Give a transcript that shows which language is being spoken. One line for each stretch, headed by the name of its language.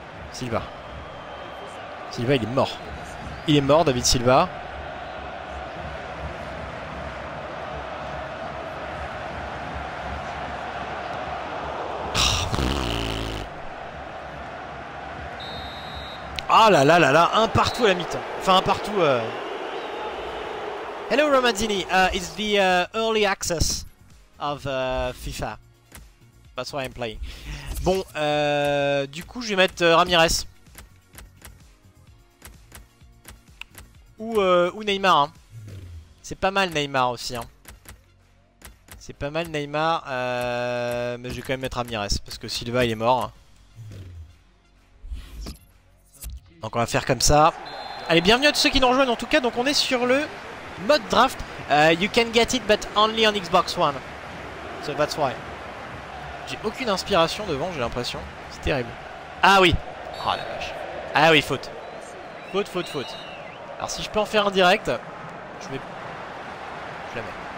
French: Silva. Silva, il est mort. Il est mort, David Silva. Ah là là là là, un partout à la mi-temps. Enfin, un partout...
English: Hello Romanzini, it's the early access of FIFA. That's why I'm playing.
French: Bon, du coup, je vais mettre Ramirez. Ou Neymar. Hein. C'est pas mal Neymar aussi. Hein. C'est pas mal Neymar. Mais je vais quand même mettre Ramirez. Parce que Silva, il est mort. Donc on va faire comme ça. Allez, bienvenue à tous ceux qui nous rejoignent. En tout cas, donc on est sur le...
English: mode draft, you can get it but only on Xbox One. So that's why.
French: J'ai aucune inspiration devant, j'ai l'impression. C'est terrible. Ah oui. Oh la vache. Ah oui, faute. Faute, faute, faute. Alors si je peux en faire un direct, je vais. Je la mets.